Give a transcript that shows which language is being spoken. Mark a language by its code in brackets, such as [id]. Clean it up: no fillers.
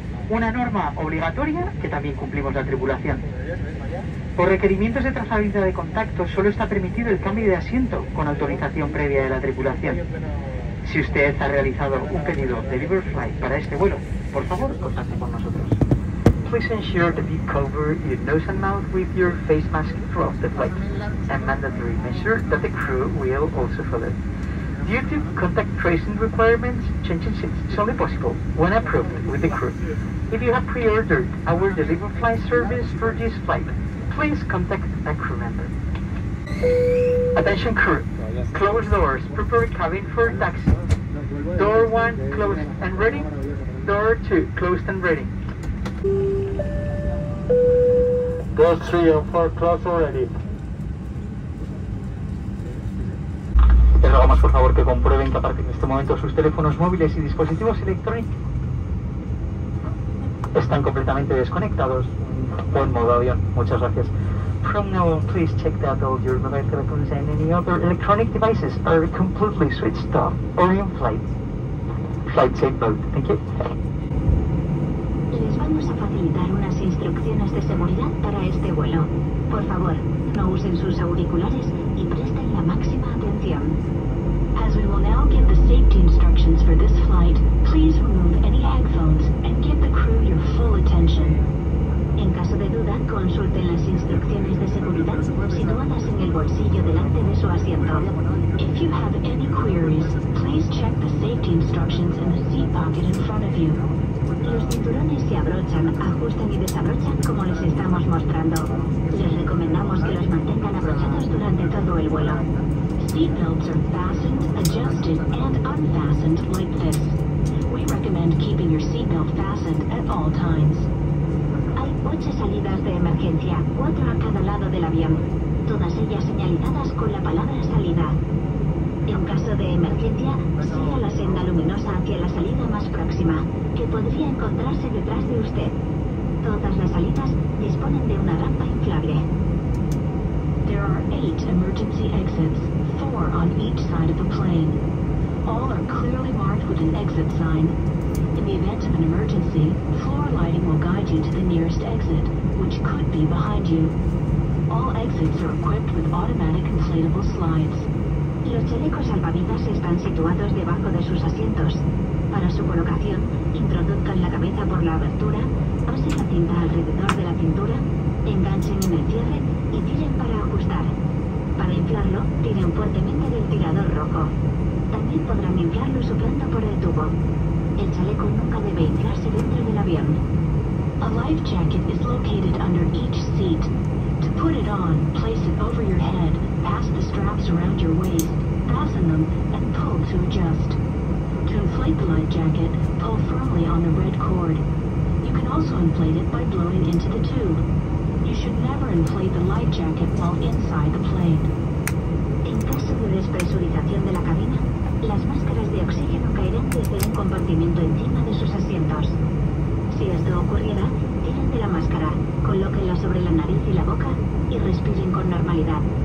[es] Una norma obligatoria que también cumplimos la tripulación. Por requerimientos de trazabilidad de contacto, solo está permitido el cambio de asiento con autorización previa de la tripulación. Si usted ha realizado un pedido de Delivery Flight para este vuelo, por favor, contacte con nosotros. [en] Please ensure that you cover your nose and mouth with your face mask throughout the flight. A mandatory measure that the crew will also follow. Due to contact tracing requirements, changing seats is only possible when approved with the crew. If you have pre-ordered our Delivery Flight service for this flight, please contact a crew member. Attention crew, close doors, prepare cabin for taxi. Door 1 closed and ready, door 2 closed and ready. Doors 3 and 4 closed already. [es] Les rogamos por favor que comprueben que a partir de este momento sus teléfonos móviles y dispositivos electrónicos están completamente desconectados o en modo avión. Muchas gracias. [en] From now on, please check that all your mobile telephones and any other electronic devices are completely switched off or in flight. Flight safe mode. Thank you. [es] Les vamos a facilitar unas instrucciones de seguridad para este vuelo. Por favor, no usen sus auriculares y presten la máxima atención. [en] As we will now give the safety instructions for this flight, please remove any headphones and give the crew your full attention. [es] En caso de duda, consulten las instrucciones de seguridad situadas en el bolsillo delante de su asiento. [en] If you have any queries, please check the safety instructions in the seat pocket in front of you. [es] Los cinturones se abrochan, ajustan y desabrochan como les estamos mostrando. Les recomendamos que los mantengan abrochados durante todo el vuelo. [en] Seatbelts are fastened, adjusted, and unfastened like this. We recommend keeping your seatbelt fastened at all times. [es] Hay 8 salidas de emergencia, 4 a cada lado del avión. Todas ellas señalizadas con la palabra salida. En caso de emergencia, siga la senda luminosa hacia la salida más próxima, que podría encontrarse detrás de usted. Todas las salidas disponen de una rampa inflable. [en] There are 8 emergency exits, 4 on each side of the plane. All are clearly marked with an exit sign. In the event of an emergency, floor lighting will guide you to the nearest exit, which could be behind you. All exits are equipped with automatic inflatable slides. [es] Los chalecos salvavidas están situados debajo de sus asientos. Para su colocación, introduzcan la cabeza por la abertura, pasen la cinta alrededor de la cintura, enganchen en el cierre y tiren para ajustar. Para inflarlo, tiren fuertemente del tirador rojo. También podrán inflarlo soplando por el tubo. El chaleco nunca debe inflarse dentro del avión. [en] A life jacket is located under each seat. To put it on, place it over your head. Pass the straps around your waist, fasten them, and pull to adjust. To inflate the life jacket, pull firmly on the red cord. You can also inflate it by blowing into the tube. You should never inflate the life jacket while inside the plane. [es] En caso de despresurización de la cabina, las máscaras de oxígeno caerán desde un compartimento encima de sus asientos. Si esto ocurriera, tiren de la máscara, colóquenla sobre la nariz y la boca, y respiren con normalidad.